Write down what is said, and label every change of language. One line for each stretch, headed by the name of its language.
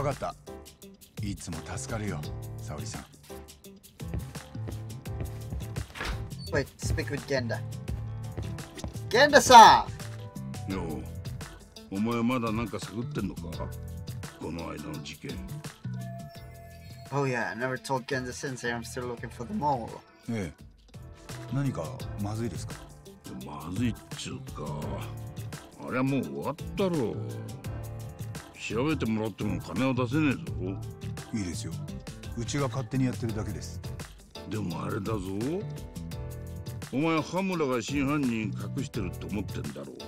Japanese: わかった。いつも助かるよ、沙織さん。
English: Wait, speak with Genda. Genda-san! No.
Japanese: お前まだ何か探ってんのか、この間の事件。
English: Oh yeah, I never told Genda Sensei I'm still looking for the mole.
Japanese: ええ、何かまずいですか。まずいっちゅうか、あれはもう終わったろ。調べてもらっても金は出せねえぞ。いいですよ、うちが勝手にやってるだけです。でもあれだぞ、お前ハムラが真犯人隠してるって思ってんだろ。